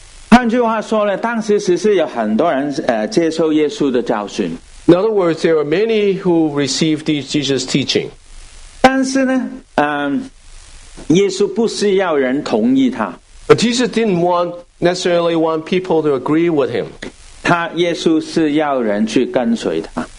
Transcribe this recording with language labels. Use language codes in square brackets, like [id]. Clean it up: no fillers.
[zh] 换句话说呢，当时其实有很多人接受耶稣的教训。 [en] In other words, there are many who received Jesus' teaching. [zh] 但是呢，耶稣不是要人同意他。 [en] But Jesus didn't necessarily want people to agree with him. [zh] 他耶稣是要人去跟随他。